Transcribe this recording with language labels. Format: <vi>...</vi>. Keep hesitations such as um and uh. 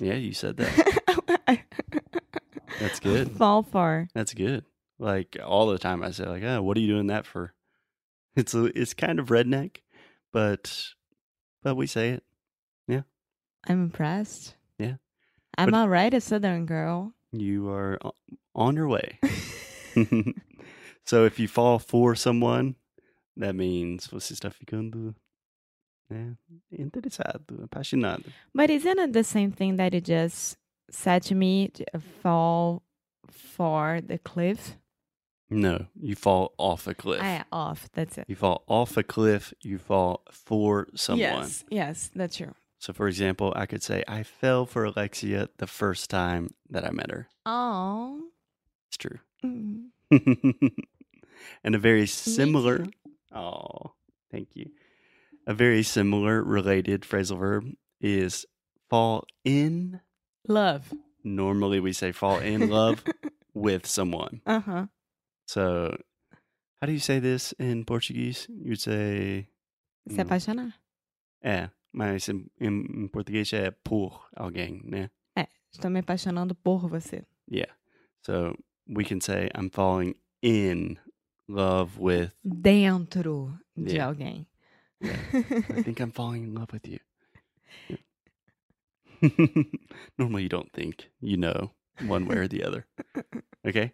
<en>Yeah, you said that. That's good. Fall for. That's good. Like all the time I say like, "Oh, what are you doing that for?" It's a, it's kind of redneck, but but we say it. Yeah. I'm impressed. Yeah. I'm all right, a southern girl. You are on your way. so if you fall for someone, that means</en> <pt>você está ficando né, interessado, apaixonado.</pt> <en>But isn't it the same thing that you just said to me, to fall for the cliff? No, you fall off a cliff. I, off. That's it. You fall off a cliff. You fall for someone. Yes. Yes. That's true. So, for example, I could say, I fell for Alexia the first time that I met her. Oh. It's true. Mm -hmm. and a very similar. Oh, thank you. A very similar related phrasal verb is fall in love. Normally, we say fall in love with someone. Uh huh. So, how do you say this in Portuguese? You'd say. You</en> <pt>Se apaixona. É, mas em, em, em português por alguém, né? É, estou me apaixonando por você.</pt> <en>Yeah. So, we can say I'm falling in love with. Dentro yeah.</en> <pt>de alguém.</pt> <en>Yeah. I think I'm falling in love with you. Yeah. Normally, you don't think, you know one way or the other. Okay.</en>